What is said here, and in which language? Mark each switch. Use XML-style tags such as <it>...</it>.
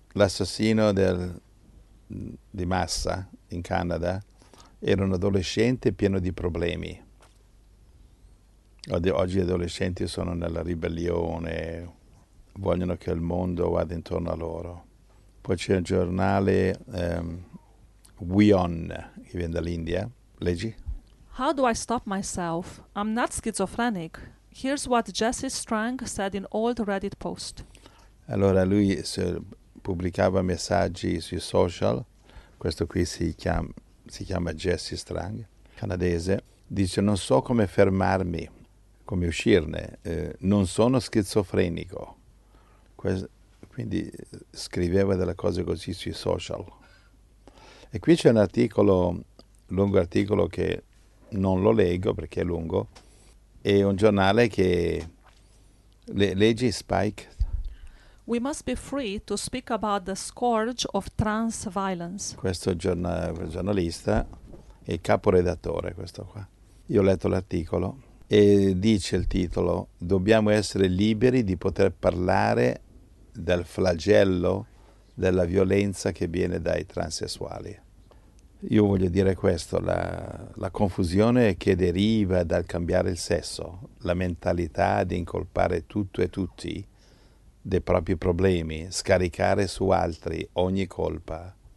<it>L'assassino di massa in Canada era un adolescente pieno di problemi. Oggi gli adolescenti sono nella ribellione, vogliono che il mondo vada intorno a loro. Poi c'è un giornale, WION, che viene dall'India. Leggi.</it> <en>How do I stop myself? I'm not schizophrenic. Here's what Jesse Strang said in old Reddit post.</en> <it>Allora, lui pubblicava messaggi sui social. Questo qui si chiama Jesse Strang, canadese. Dice, non so come fermarmi, come uscirne. Non sono schizofrenico. Quindi scriveva delle cose così sui social. E qui c'è un articolo, lungo articolo, che non lo leggo perché è lungo. È un giornale che legge Spike.</it> <en>We must be free to speak about the scourge of trans violence.</en> <it>Questo giornalista è il caporedattore, questo qua. Io ho letto l'articolo e dice il titolo: dobbiamo essere liberi di poter parlare del flagello della violenza che viene dai transessuali. Io voglio dire questo, la confusione che deriva dal cambiare il sesso, la mentalità di incolpare tutto e tutti dei propri problemi, scaricare su altri ogni colpa.</it>